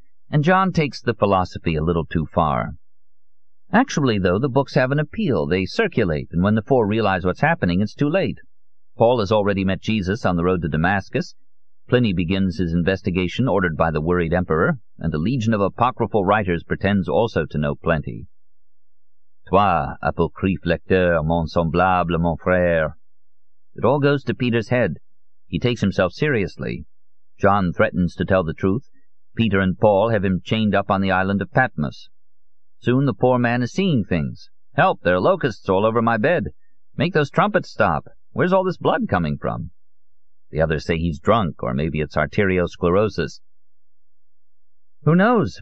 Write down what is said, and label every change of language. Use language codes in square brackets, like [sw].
[en] And John takes the philosophy a little too far. Actually, though, the books have an appeal. They circulate, and when the four realize what's happening, it's too late. Paul has already met Jesus on the road to Damascus. Pliny begins his investigation, ordered by the worried emperor, and a legion of apocryphal writers pretends also to know plenty. [fr] Toi, apocryphe lecteur, mon semblable, mon frère. [en] It all goes to Peter's head. He takes himself seriously. John threatens to tell the truth. Peter and Paul have him chained up on the island of Patmos. Soon the poor man is seeing things. Help, there are locusts all over my bed. Make those trumpets stop. Where's all this blood coming from? The others say he's drunk, or maybe it's arteriosclerosis. Who knows?